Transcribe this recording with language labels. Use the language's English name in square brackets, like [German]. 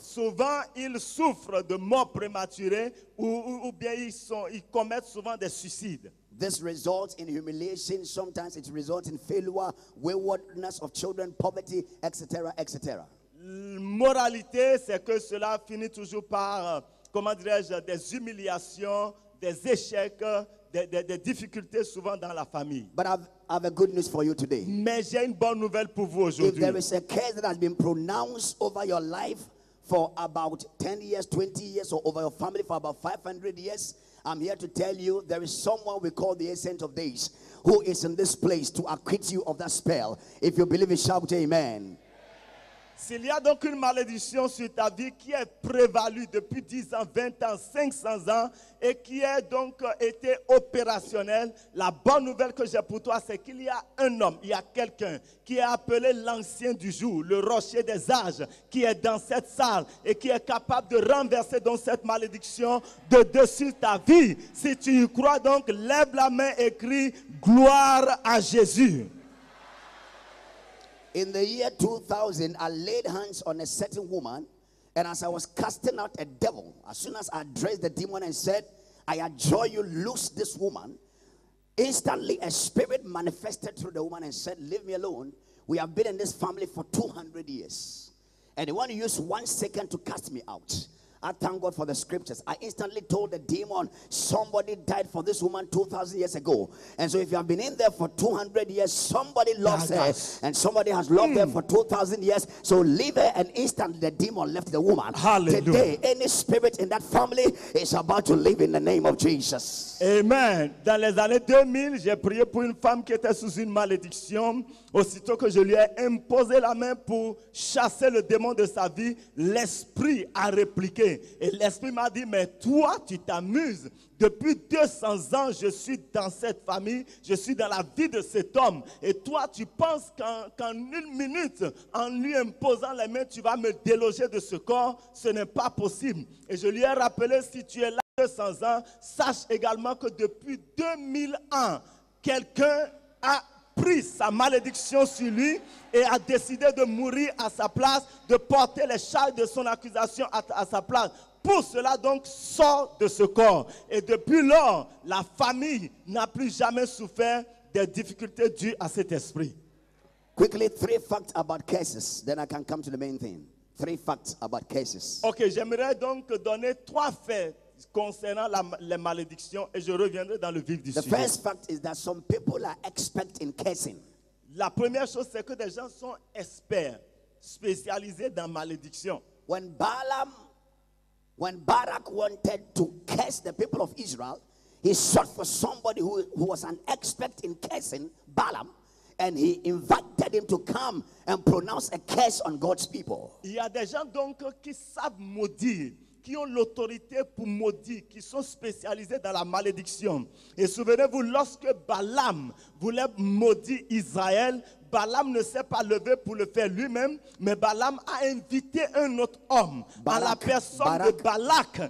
[French] Souvent, ils souffrent de mort prématurée ou bien ils commettent souvent des suicides. [English] This results in humiliation. Sometimes it results in failure, waywardness of children, poverty, etc., etc. [French] Moralité, c'est que cela finit toujours par, comment dirais-je, des humiliations, des échecs, des difficultés souvent dans la famille. [English] But I have a good news for you today. [French] Mais j'ai une bonne nouvelle pour vous aujourd'hui. [English] If there is a curse that has been pronounced over your life for about 10 years, 20 years, or over your family for about 500 years, I'm here to tell you there is someone we call the Ancient of Days who is in this place to acquit you of that spell. If you believe it, shout amen. [French] S'il y a donc une malédiction sur ta vie qui est prévalue depuis 10 ans, 20 ans, 500 ans et qui a donc été opérationnelle, la bonne nouvelle que j'ai pour toi, c'est qu'il y a un homme, il y a quelqu'un qui est appelé l'ancien du jour, le rocher des âges, qui est dans cette salle et qui est capable de renverser donc cette malédiction de dessus ta vie. Si tu y crois donc, lève la main et crie « Gloire à Jésus ». [English] In the year 2000, I laid hands on a certain woman, and as I was casting out a devil, as soon as I addressed the demon and said, I adjure you, loose this woman, instantly a spirit manifested through the woman and said, leave me alone. We have been in this family for 200 years, and you want to use 1 second to cast me out. I thank God for the scriptures. I instantly told the demon, somebody died for this woman 2,000 years ago. And so if you have been in there for 200 years, somebody loves her. And somebody has loved her for 2,000 years. So leave her, and instantly the demon left the woman. Hallelujah. Today, any spirit in that family is about to leave in the name of Jesus. Amen. [French] Dans les années 2000, j'ai prié pour une femme qui était sous une malédiction. Aussitôt que je lui ai imposé la main pour chasser le démon de sa vie, l'esprit a répliqué. Et l'esprit m'a dit, mais toi, tu t'amuses. Depuis 200 ans, je suis dans cette famille, je suis dans la vie de cet homme. Et toi, tu penses qu'en une minute, en lui imposant les mains, tu vas me déloger de ce corps? Ce n'est pas possible. Et je lui ai rappelé, si tu es là 200 ans, sache également que depuis 2000 ans, quelqu'un a pris sa malédiction sur lui et a décidé de mourir à sa place, de porter les charges de son accusation à sa place. Pour cela donc, sort de ce corps. Et depuis lors, la famille n'a plus jamais souffert des difficultés dues à cet esprit. [English] Quickly, 3 facts about curses, then I can come to the main thing. 3 facts about curses. [French] Ok, j'aimerais donc donner 3 faits. Concernant les malédictions, et je reviendrai dans le vif du sujet. [English] The first fact is that some people are expert in cursing. [French] La première chose, c'est que des gens sont experts, spécialisés dans malédiction. [English] When Barak wanted to curse the people of Israel, he sought for somebody who was an expert in cursing, Balaam, and he invited him to come and pronounce a curse on God's people. [French] Il y a des gens donc qui savent maudire, qui ont l'autorité pour maudire, qui sont spécialisés dans la malédiction. Et souvenez-vous, lorsque Balaam voulait maudire Israël, Balaam ne s'est pas levé pour le faire lui-même, mais Balaam a invité un autre homme, Balak, à la personne Barak, de Balak.